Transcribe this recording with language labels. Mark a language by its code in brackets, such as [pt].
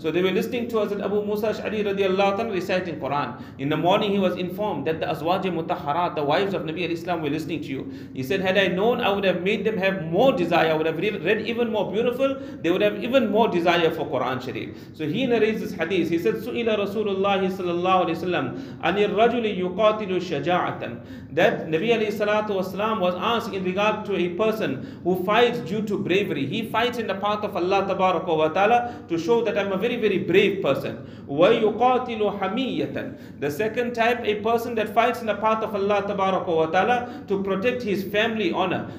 [en] So they were listening to Hazrat Abu Musa Ash'ari radiallahu ta'ala reciting Quran. In the morning, he was informed that the Azwaj Mutahharat, the wives of Nabi alayhi salam, were listening to you. He said, had I known, I would have made them have more desire. I would have read even more beautiful. They would have even more desire for Quran Sharif. So he narrates this hadith. He said, [ar] سُئِلَ رَسُولُ اللَّهِ صَلَى اللَّهُ عَلَيْهِ وَسَلَّمْ أَنِ الرَّجُلِ يُقَاتِلُ شَجَاعَةً. [en] That Nabi alayhi salatu wasalam was asked in regard to a person who fights due to bravery. He fights in the path of Allah tabaraka wa ta'ala to show that I'm a very, very brave person. [ar] وَيُقَاتِلُ حَمِيَّةً. [en] The second type, a person that fights in the path of Allah tabaraka wa ta'ala to protect his family honor.